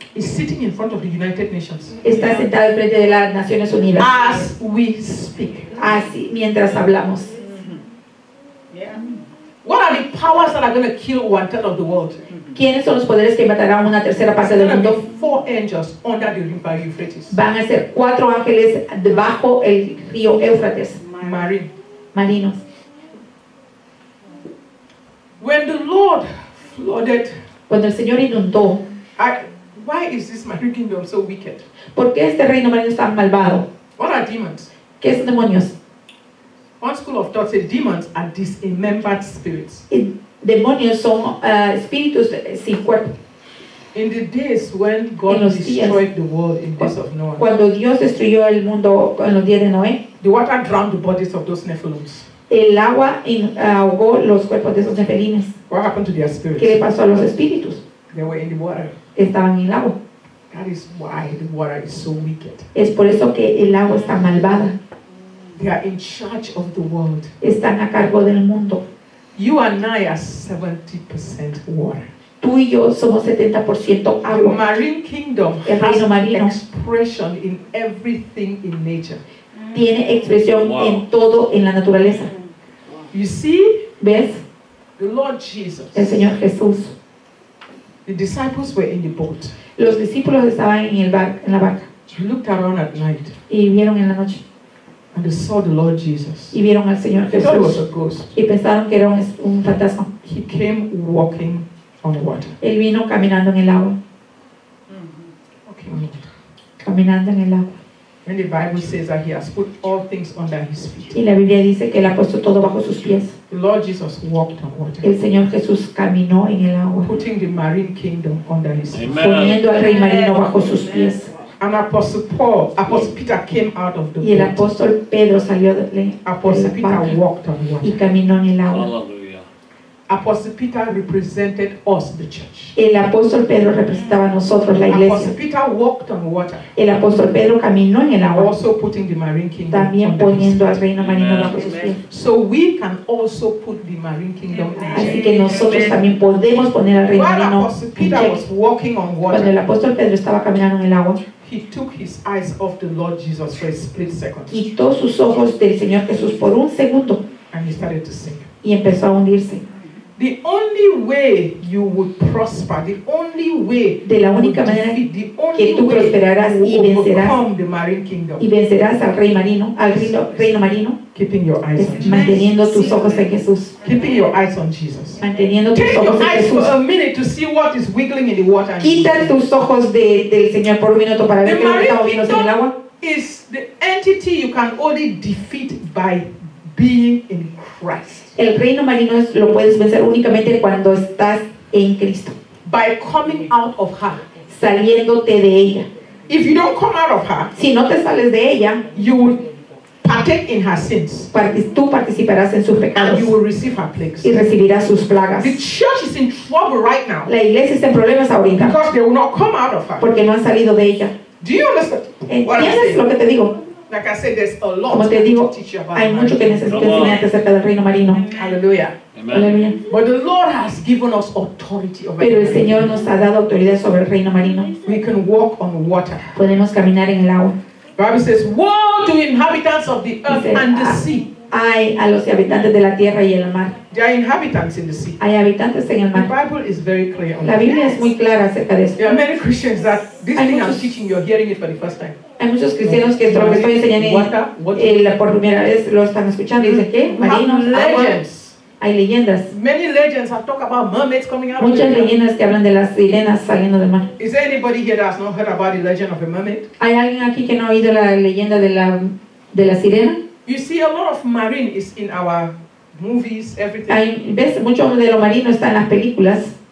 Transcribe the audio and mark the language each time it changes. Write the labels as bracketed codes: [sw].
[en] Is sitting in front of the United Nations. [es] Está sentado frente de las Naciones Unidas. [en] As we speak. [es] Así, mientras hablamos. [en] Yeah. What are the powers that are going to kill one third of the world? [es] ¿Quiénes son los poderes que matarán una tercera parte del mundo? [en] Four angels under the river Euphrates. [es] Van a ser cuatro ángeles debajo el río Éufrates. Marinos. [en] When the Lord flooded. [es] Cuando el Señor inundó. [en] Why is this marine kingdom so wicked? [es] ¿Por qué este reino marino es tan malvado? [en] What are demons? [es] ¿Qué son demonios? [en] One school of thought says demons are dismembered spirits. [es] Demonios son espíritus sin cuerpo. [en] In the days when God destroyed the world in days of Noah. [es] Cuando Dios destruyó el mundo en los días de Noé. [en] The water drowned the bodies of those nephilims. [es] El agua ahogó los cuerpos de esos nefelines. [en] What happened to their spirits? [es] ¿Qué le pasó a los espíritus? [en] They were in the water. [es] Estaban en el agua. [en] That is why the water is so wicked. [es] Es por eso que el agua está malvada. [en] They are in charge of the world. [es] Están a cargo del mundo. [en] You and I are 70% water. [es] Tú y yo somos 70% agua. [en] The marine kingdom [es] el reino marino [en] has expression in everything in nature. [es] Tiene expresión wow. En todo en la naturaleza. [en] You see? [es] ¿Ves? [en] The Lord Jesus. [es] El Señor Jesús. [en] The disciples were in the boat. [es] Los discípulos estaban en el barco, en la barca. [en] They looked around at night. [es] Y vieron en la noche. [en] And they saw the Lord Jesus. [es] Y vieron al Señor Jesús. [en] They thought it was a ghost. [es] Y pensaron que era un fantasma. [en] He came walking on the water. [es] Él vino caminando en el agua. [en] Okay. [es] Caminando en el agua. [en] And the Bible says that he has put all things under his feet. [es] Y la Biblia dice que él ha puesto todo bajo sus pies. [en] The Lord Jesus walked on water. [es] El Señor Jesús caminó en el agua. [en] Putting the marine kingdom under his feet. Amen. [es] Poniendo al rey marino bajo sus pies. [en] And Apostle Peter came out of the boat. [es] Y el apóstol Pedro salió de la [en] Apostle Peter [es] barca. [en] Walked on water. [es] Y caminó en el agua. [en] Apostle Peter represented us, the church. [es] El apóstol Pedro representaba a nosotros, la iglesia. [en] Apostle Peter walked on water. [es] El apóstol Pedro caminó en el agua. [en] Also putting the marine kingdom [es] también [en] under [es] poniendo al reino marino bajo sus pies. [en] So we can also put the marine kingdom in check. [es] Así que nosotros también podemos poner al reino marino en check. [en] Peter was walking on water. [es] Cuando el apóstol Pedro estaba caminando en el agua. [en] He took his eyes off the Lord Jesus for a split second. [es] Quitó sus ojos del Señor Jesús por un segundo. [en] And he started to sink. [es] Y empezó a hundirse. [en] The only way you would prosper, the only way [es] de la única manera [en] defeat, the only [es] que tú prosperarás [en] way [es] y vencerás [en] the marine kingdom, [es] y vencerás al rey marino, al reino marino, [en] keeping your eyes on [es] manteniendo tus ojos en Jesús. [en] Keeping your eyes on Jesus. [es] Manteniendo tus [en] Take [es] ojos [en] your eyes [es] en Jesús. [en] For a minute to see what is wiggling in the water. [es] Quita tus ojos del Señor por un minuto para ver qué lo que está moviéndose en el agua. [en] Is the entity you can only defeat by being in Christ. [es] El reino marino lo puedes vencer únicamente cuando estás en Cristo. [en] By coming out of her. [es] Saliéndote de ella. [en] If you don't come out of her, [es] si no te sales de ella, [en] you will partake in her sins. [es] Tú participarás en sus pecados. [en] And you will receive her plagues. [es] Y recibirás sus plagas. [en] The church is in trouble right now. [es] La iglesia está en problemas ahorita. [en] Because they will not come out of her. [es] Porque no han salido de ella. [en] Do you understand? [es] ¿Entiendes lo que te digo? [en] Like I said, there's a lot [es] como te digo, [en] to teach you about [es] hay mucho que necesito enseñarte acerca del reino marino. Aleluya. [en] But the Lord has given us authority over. [es] Pero el Señor nos ha dado autoridad sobre el reino marino. [en] We can walk on water. [es] Podemos caminar en el agua. [en] The Bible says, "Woe to inhabitants of the earth and the sea." [es] Hay a los habitantes de la tierra y el mar. [en] There are inhabitants in the sea. [es] Hay habitantes en el mar. [en] The Bible is very clear on [es] la Biblia es muy clara acerca de esto. [en] There are many Christians that this thing I'm teaching, you're hearing it for the first time. [es] Hay muchos cristianos que lo que estoy enseñando por primera vez lo están escuchando y dicen ¿qué? Marinos, agua. Hay leyendas. [en] Many legends have talked about mermaids coming out. [es] Muchas leyendas que hablan de las sirenas saliendo del mar. [en] Is there anybody here that has not heard about the legend of a mermaid? [es] ¿Hay alguien aquí que no ha oído la leyenda de la sirena? [en] You see, a lot of marine is in our movies, everything. [es] Ves, mucho de lo marino está en las películas.